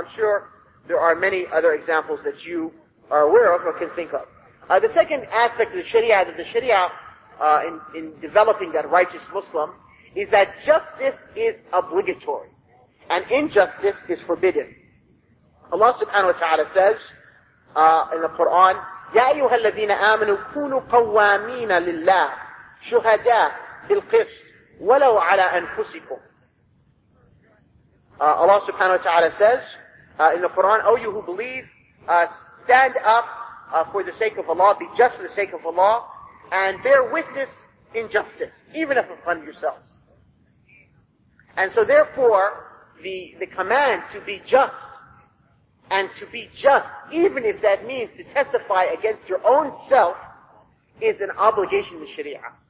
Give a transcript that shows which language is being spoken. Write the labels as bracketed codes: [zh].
[en] I'm sure there are many other examples that you are aware of or can think of. The second aspect of the Sharia, that the Sharia in developing that righteous Muslim, is that justice is obligatory and injustice is forbidden. Allah subhanahu wa ta'ala says in the Quran, [ar] يَا أَيُّهَا الَّذِينَ آمَنُوا كُونُوا قَوَّامِينَ لِلَّهِ شُهَدَاءَ بِالْقِسْطِ وَلَوْ عَلَىٰ أَنفُسِكُمْ. [en] Allah subhanahu wa ta'ala says in the Quran, O you who believe, stand up for the sake of Allah, be just for the sake of Allah, and bear witness injustice, even if upon yourselves. And so therefore, the command to be just, and to be just, even if that means to testify against your own self, is an obligation to Sharia.